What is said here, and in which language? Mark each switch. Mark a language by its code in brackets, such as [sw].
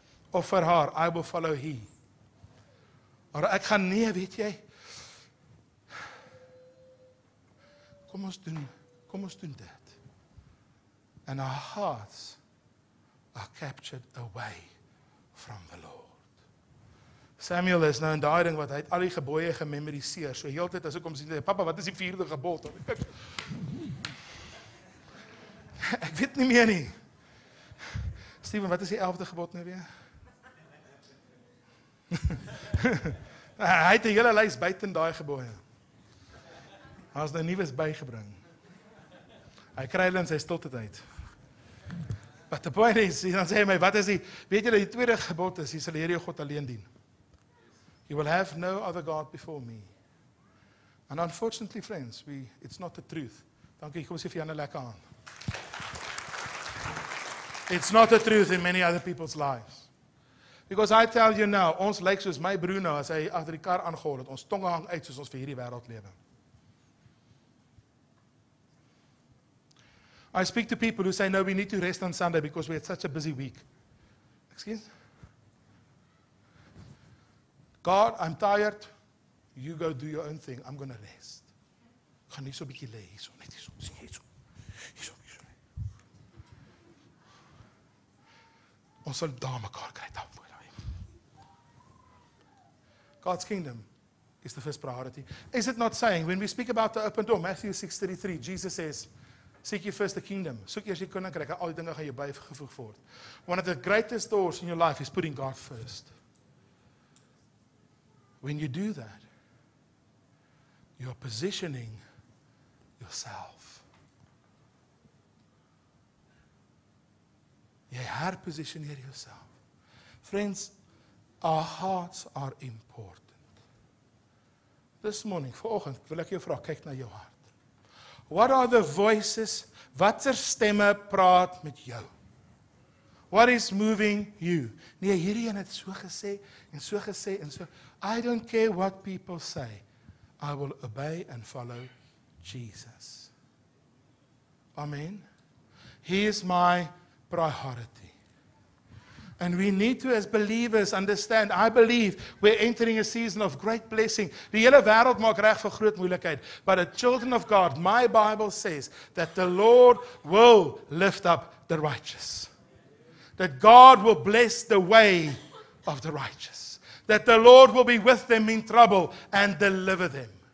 [af] Of vir haar, [en] I will follow he. [af] Maar ek gaan nie, weet jy, kom ons doen dit. [en] And our hearts are captured away from the Lord. [af] Samuel is nou in daai ding wat hy het al die gebooie gememoriseer. So heeltyd as ek hom sien, "Pappa, wat is die vierde gebod?" Ek weet nie meer nie. Steven, wat is die 11de gebod nou weer? Hy het die hele lys buiten daai gebooie. Hy is nou nuwes bygebring. Hy kry hulle in sy stilte tyd. [en] But the point is, [af] dan sê hy my, wat is die, weet julle, die tweede gebod is, jy sal die Here jou God alleen dien. [en] You will have no other God before me. And unfortunately, friends, it's not the truth. [af] Dankie, kom sê vir Janne lekker aan. [en] It's not the truth in many other people's lives. Because I tell you now, [af] ons lyk soos my broer nou, as hy agter die kar aangehol het, ons tong hang uit soos ons vir hierdie wêreld lewe. [en] I speak to people who say, no, we need to rest on Sunday because we had such a busy week. Excuse? God, I'm tired. You go do your own thing. I'm going to rest. [af] Gaan nie so bietjie lê hierso, net hierso, sien hierso. Hierso, hierso. Ons sal daar mekaar kry, daar voor. [en] God's kingdom is the first priority. Is it not saying, when we speak about the open door, Matthew 6:33, Jesus says, seek ye first the kingdom. [af] Soek eers die koninkryk, al die dinge gaan jou bygevoeg word. [en] One of the greatest doors in your life is putting God first. When you do that, you're positioning yourself. [af] Jy herpositioneer yourself. [en] Friends, our hearts are important. This morning, [af] vanoggend, wil ek jou vra, kyk na jou hart. [en] What are the voices, [af] watter stemme praat met jou? [en] What is moving you? [af] Nee, hierdie een het so gesê, en so [en] gesê, en so, I don't care what people say, I will obey and follow Jesus. Amen. He is my priority. And we need to, as believers, understand, I believe, we're entering a season of great blessing. [af] Die hele wêreld maak reg vir groot moeilikheid. [en] But the children of God, my Bible says, that the Lord will lift up the righteous. That God will bless the way of the righteous. That the Lord will be with them in trouble and deliver them.